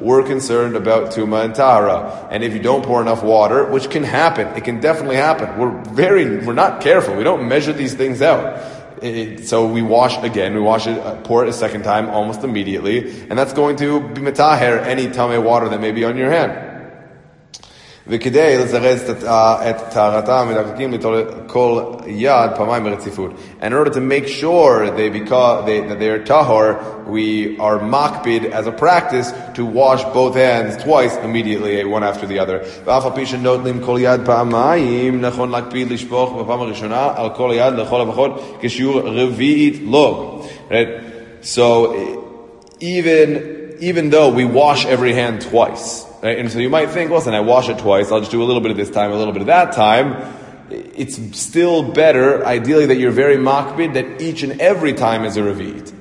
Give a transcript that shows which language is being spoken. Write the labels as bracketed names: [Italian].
[English] We're concerned about Tuma and Tahara. And if you don't pour enough water, which can happen, it can definitely happen. We're not careful. We don't measure these things out. So we wash again, pour it a second time almost immediately, and that's going to be metaher any tame water that may be on your hand. [Hebrew] וכדי לזרז את טהרתם מדקדקים ליטול כל יד פעמיים ברציפות. [English] In order to make sure they become, they, that they are tahor, we are makpid as a practice to wash both hands twice immediately, one after the other. [Hebrew] ואף על פי שנוטלים כל יד פעמיים, נכון להקפיד לשפוך בפעם הראשונה על כל יד לכל הפחות כשיעור רביעית לוג. [English] So even though we wash every hand twice, right? And so you might think, listen, I wash it twice, I'll just do a little bit of this time, a little bit of that time. It's still better, ideally, that you're very makbid, that each and every time is a revit.